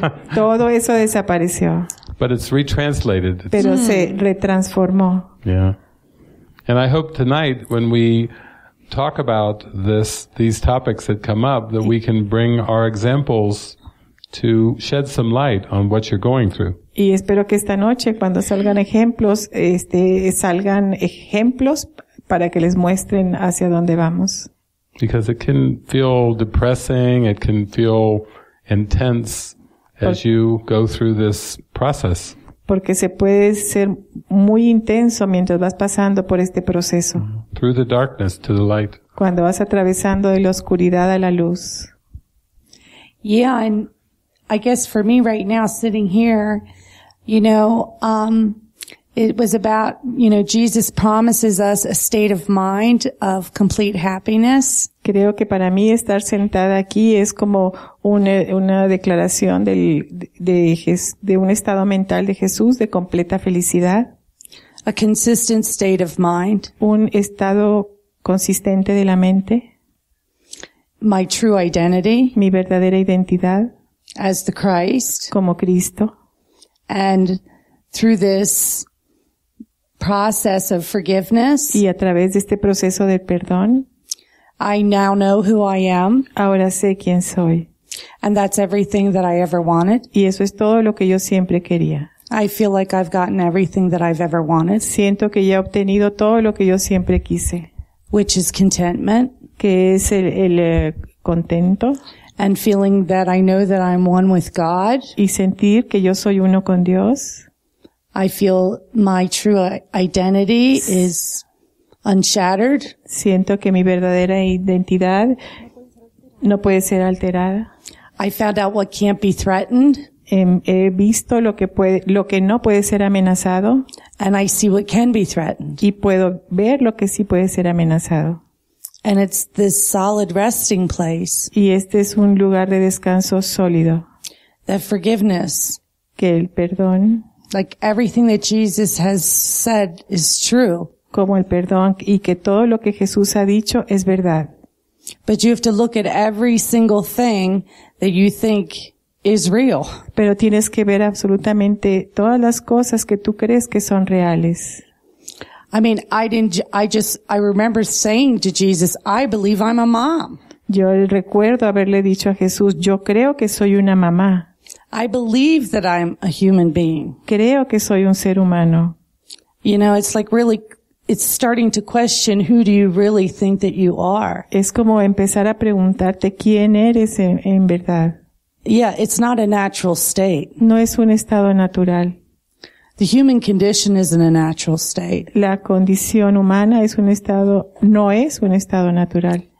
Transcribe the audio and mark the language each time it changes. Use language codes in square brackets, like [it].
[es] Fue. Todo eso desapareció. [en] But it's retranslated. [es] Pero se retransformó. [en] Yeah. And I hope tonight when we talk about these topics that come up that we can bring our examples to shed some light on what you're going through. [es] Y espero que esta noche cuando salgan ejemplos, salgan ejemplos para que les muestren hacia dónde vamos. [en] Because it can feel depressing, it can feel intense as you go through this process. [es] Porque se puede ser muy intenso mientras vas pasando por este proceso. [en] Through the darkness to the light. [es] Cuando vas atravesando de la oscuridad a la luz. [en] Yeah, and I guess for me right now sitting here, you know, it was about, you know, Jesus promises us a state of mind of complete happiness. [es] Creo que para mí estar sentada aquí es como una declaración de un estado mental de Jesús de completa felicidad. [en] A consistent state of mind. [es] Un estado consistente de la mente. [en] My true identity. [es] Mi verdadera identidad. [en] As the Christ. [es] Como Cristo. [en] And through this process of forgiveness. [es] Y a través de este proceso del perdón. [en] I now know who I am. [es] Ahora sé quién soy. [en] And that's everything that I ever wanted. [es] Y eso es todo lo que yo siempre quería. [en] I feel like I've gotten everything that I've ever wanted. [es] Siento que ya he obtenido todo lo que yo siempre quise. [en] Which is contentment. [es] Que es el contento. [en] And feeling that I know that I'm one with God. [es] Y sentir que yo soy uno con Dios. [en] I feel my true identity is unshattered. [es] Siento que mi verdadera identidad no puede ser alterada. [en] I found out what can't be threatened. [es] He visto lo que no puede ser amenazado. [en] And I see what can be threatened. [es] Y puedo ver lo que sí puede ser amenazado. [en] And it's this solid resting place. [es] Y este es un lugar de descanso sólido. [en] That forgiveness. [es] Que el perdón. [en] Like everything that Jesus has said is true. [es] Como el perdón y que todo lo que Jesús ha dicho es verdad. [en] But you have to look at every single thing that you think is real. [es] Pero tienes que ver absolutamente todas las cosas que tú crees que son reales. [en] I mean, I remember saying to Jesus, I believe I'm a mom. [es] Yo recuerdo haberle dicho a Jesús, yo creo que soy una mamá. [en] I believe that I'm a human being. [es] Creo que soy un ser humano. [en] You know, it's like really, it's starting to question who do you really think that you are. [es] Es como empezar a preguntarte quién eres en verdad. [en] Yeah, it's not a natural state. [es] No es un estado natural. [en] The human condition isn't a natural state. [es] La condición humana es un estado, no es un estado natural.